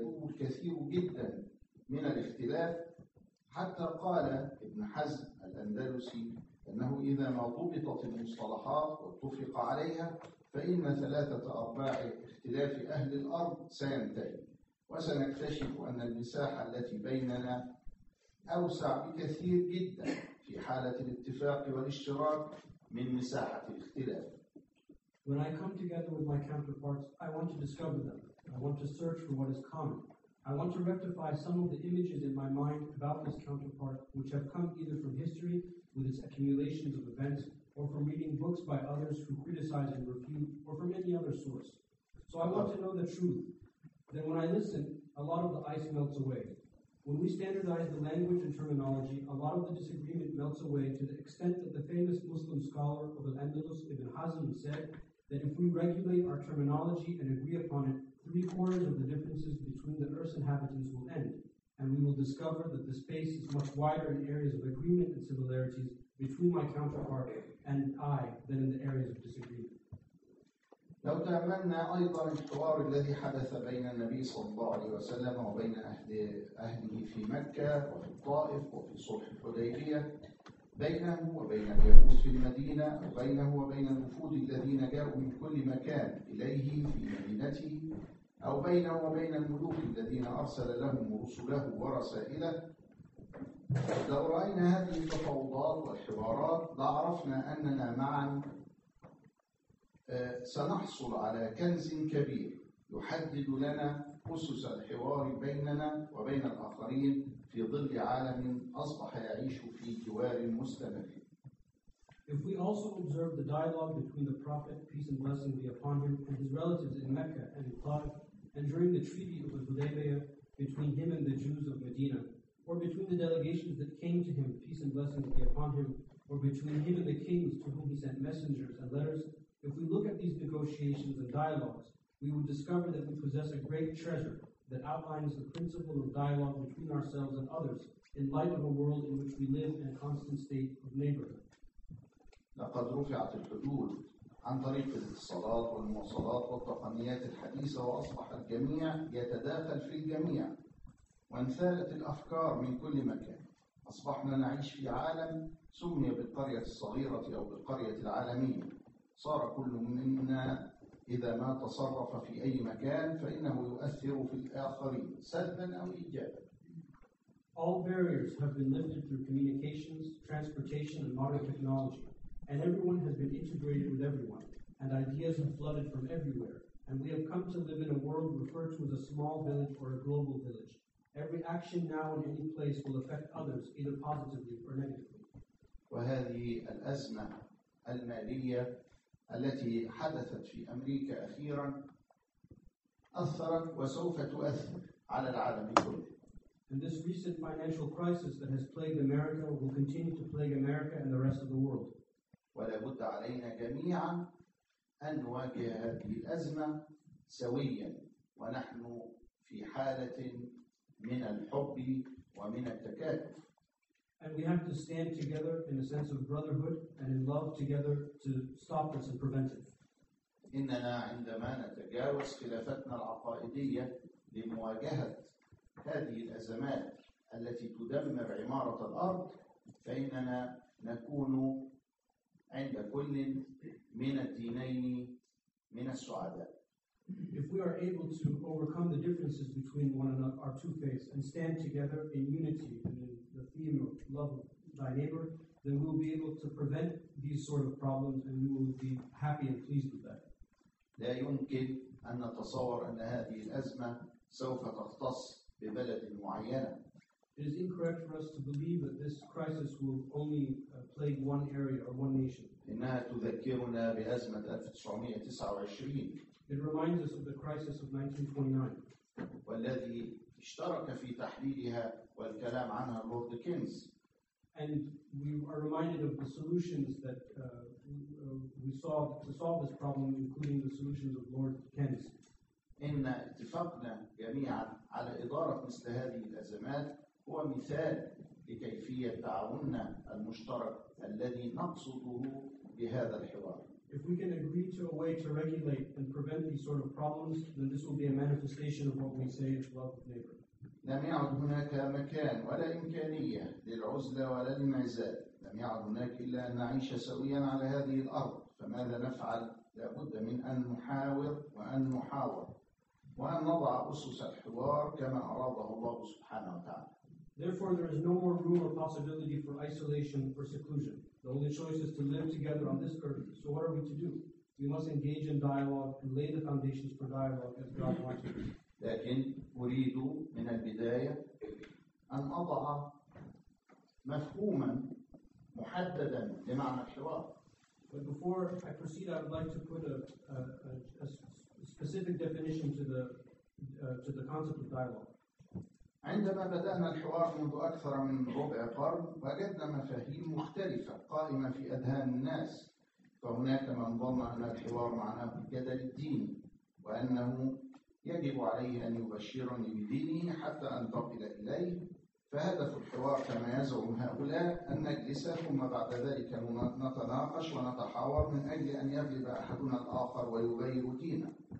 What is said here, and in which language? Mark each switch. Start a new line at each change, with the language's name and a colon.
Arabic: الكثير جدا من الاختلاف حتى قال ابن حزم الأندلسي أنه إذا ما ضبطت المصطلحات واتفق عليها فإن ثلاثة أرباع اختلاف أهل الأرض سينتهي وسنكتشف أن المساحة التي بيننا أوسع بكثير جدا في حالة الاتفاق والاشتراك من مساحة الاختلاف.
English: When I come together with my counterparts, I want to discover them. I want to search for what is common. I want to rectify some of the images in my mind about this counterpart, which have come either from history with its accumulations of events, or from reading books by others who criticize and refute, or from any other source. So I want to know the truth. Then when I listen, a lot of the ice melts away. When we standardize the language and terminology, a lot of the disagreement melts away to the extent that the famous Muslim scholar of Al-Andalus Ibn Hazm said that if we regulate our terminology and agree upon it, three quarters of the differences between the Earth's inhabitants will end, and we will discover that the space is much wider in areas of agreement and similarities between my counterpart and I than in the areas of disagreement.
Arabic: لو تأملنا أيضا الحوار الذي حدث بين النبي صلى الله عليه وسلم وبين أهله في مكة وفي الطائف وفي صلح الحديبية بينه وبين اليهود في المدينة وبينه وبين الوفود الذين جاءوا من كل مكان إليه في مدينته أو بينه وبين الملوك الذين أرسل لهم رسله ورسائله لو رأينا هذه التفاوضات والحوارات لعرفنا أننا معا سنحصل على كنز كبير يحدد لنا أسس الحوار بيننا وبين الآخرين في ظل عالم أصبح يعيش في جوار مستمر.
English: If we also observe the dialogue between the Prophet, peace and blessing be upon him, and his relatives in Mecca and in Taif, and during the Treaty of Hudaybiyah between him and the Jews of Medina, or between the delegations that came to him, peace and blessing be upon him, or between him and the kings to whom he sent messengers and letters, if we look at these negotiations and dialogues, we would discover that we possess a great treasure that outlines the principle of dialogue between ourselves and others in light of a world in which we live in a constant state of neighborhood.
Arabic: لقد رفعت الحدود عن طريق الاتصالات والمواصلات والتقنيات الحديثة وأصبح الجميع يتداخل في الجميع وانثارت الأفكار من كل مكان أصبحنا نعيش في عالم سمي بالقرية الصغيرة أو بالقرية العالمية. صار كل منا إذا ما تصرف في أي مكان فإنه يؤثر في الآخرين سلباً أو إيجاباً.
English: All barriers have been lifted through communications, transportation, and modern technology, and everyone has been integrated with everyone, and ideas have flooded from everywhere, and we have come to live in a world referred to as a small village or a global village. Every action now in any place will affect others, either positively or negatively.
Arabic: وهذه الأزمة المالية التي حدثت في أمريكا أخيراً أثرت وسوف تؤثر على العالم كله.
English: And this recent financial crisis that has plagued America will continue to plague America and the rest of the world.
Arabic: ولا بد علينا جميعاً أن نواجه هذه الأزمة سوياً ونحن في حالة من الحب ومن التكاتف.
English: And we have to stand together in a sense of brotherhood and in love together to stop this and prevent it.
Arabic: إننا عندما نتجاوز خلافاتنا العقائدية لمواجهة هذه الأزمات التي تدمر عمارة الأرض فإننا نكون عند كل من الدينين من السعداء.
English: If we are able to overcome the differences between one another, our two faiths, and stand together in unity and in the theme of love thy neighbor, then we will be able to prevent these sort of problems and we will be happy and pleased with that.
Arabic: لا يمكن أن نتصور أن هذه الأزمة سوف تختص ببلد معينة.
English: It is incorrect for us to believe that this crisis will only plague one area or one nation.
Arabic: إنها تذكرنا بأزمة 1929.
English: It reminds us of the crisis of 1929.
Arabic: والذي اشترك في تحليلها والكلام عنها لورد كينز.
English: And we are reminded of the solutions that we saw to solve this problem, including the solutions of Lord Keynes.
Arabic: إن اتفقنا جميعا على إدارة مثل هذه الأزمات هو مثال لكيفية تعاوننا المشترك الذي نقصده بهذا الحوار.
English: If we can agree to a way to regulate and prevent these sort of problems, then this will be a manifestation of what we say is love of neighbor.
Arabic: لم يعد هناك مكان ولا إمكانية للعزلة ولا للانعزال. لم يعد هناك إلا أن نعيش سوياً على هذه الأرض. فماذا نفعل؟ لابد من أن نحاور وأن نحاور وأن نضع أسس الحوار كما أراده الله سبحانه وتعالى.
English: Therefore, there is no more room or possibility for isolation or seclusion. The only choice is to live together on this earth. So what are we to do? We must engage in dialogue and lay the foundations for dialogue as God wants it.
Arabic: لكن أريد من البداية أن أضع مفهوما محددا لمعنى الحوار.
English: But before I proceed, I would like to put a specific definition to the concept of dialogue.
Arabic: عندما بدأنا الحوار منذ أكثر من ربع قرن وجدنا مفاهيم مختلفة قائمة في أذهان الناس فهناك من ظن أن الحوار معناه الجدل الديني وأنه يجب عليه أن يبشرني بديني حتى أنتقل إليه فهدف الحوار كما يزعم هؤلاء أن نجلس ثم بعد ذلك نتناقش ونتحاور من أجل أن يغلب أحدنا الآخر ويغير دينه